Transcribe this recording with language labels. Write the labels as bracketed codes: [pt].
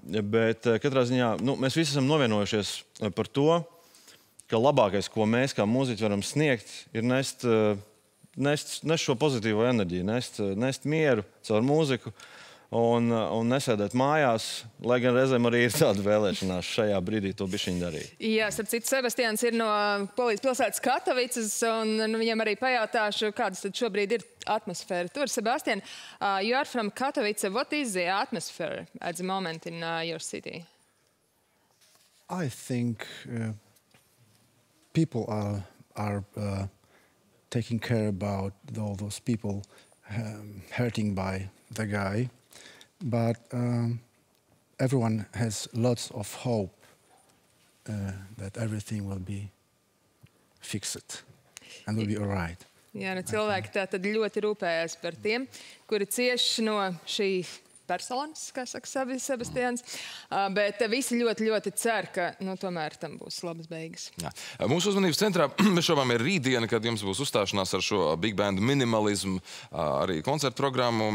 [lv] Bet katrā ziņā, mēs visi esam novienojušies par to, ka labākais, ko mēs kā mūziķi varam sniegt, ir nest šo pozitīvo enerģiju, nest mieru caur mūziku un nesēdēt mājās, lai gan reizēm arī ir tāda vēlēšanās šajā brīdī to bišķiņ darīt. Jā, starp citu, Sebastiāns ir no Polijas pilsētas Katovicas, un viņam arī pajautāšu, kādas tad šobrīd ir atmosfēra. [en] Tur, Sebastiāns, you are from Katovice. What is the atmosphere at the moment in your city? I think people are taking care about all those people hurting by the guy. But everyone has lots of hope that everything will be fixed and will be all right. [lv] Jā, nu cilvēki tātad ļoti rūpējās par tiem, kuri cieš no šī personas, kā saka Sebastiāns, bet visi ļoti, ļoti cer, ka tomēr tam būs labas beigas. Jā. Mūsu uzmanības centrā šobrīd ir rītdiena, kad jums būs uzstāšanās ar šo Big Band Minimalism arī koncertu programmu.